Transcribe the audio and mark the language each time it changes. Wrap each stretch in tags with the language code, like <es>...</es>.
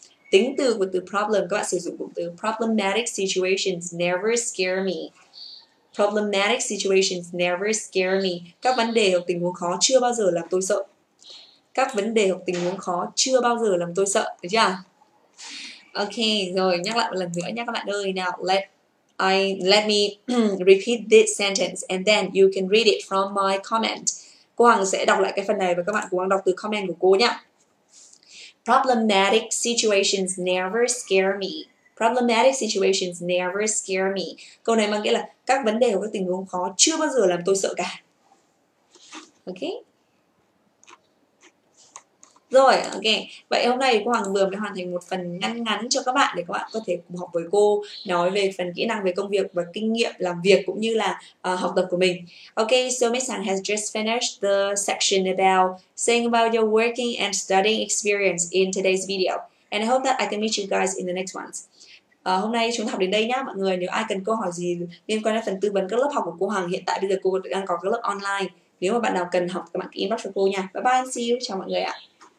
<vi>Tính từ của từ problem, các bạn sử dụng cụm từ</vi> <en>problematic situations never scare me. Problematic situations never scare me.</en> <vi>Các vấn đề hoặc tình huống khó chưa bao giờ làm tôi sợ. Các vấn đề hoặc tình huống khó chưa bao giờ làm tôi sợ. Được chưa? Ok, rồi nhắc lại một lần nữa nha các bạn ơi.</vi> <en>Now, let me repeat this sentence and then you can read it from my comment.</en> <vi>Cô Hằng sẽ đọc lại cái phần này và các bạn cũng đọc từ comment của cô nhé.</vi> <en>Problematic situations never scare me. Problematic situations never scare me.</en> <vi>Câu này mang nghĩa là các vấn đề hoặc các tình huống khó chưa bao giờ làm tôi sợ cả. Ok. Rồi, ok. Vậy hôm nay cô Hoàng vừa mới hoàn thành một phần ngắn ngắn cho các bạn để các bạn có thể cùng học với cô nói về phần kỹ năng về công việc và kinh nghiệm làm việc cũng như là học tập của mình.</vi> <en>Ok, so Miss Hằng has just finished the section about saying about your working and studying experience in today's video. And I hope that I can meet you guys in the next ones.</en> <vi>Hôm nay chúng ta học đến đây nhá mọi người. Nếu ai cần câu hỏi gì liên quan đến phần tư vấn các lớp học của cô Hoàng, hiện tại bây giờ cô đang có các lớp online. Nếu mà bạn nào cần học, các bạn inbox cho cô nha.</vi> <en>Bye bye, see you.</en> <vi>Chào mọi người ạ.</vi>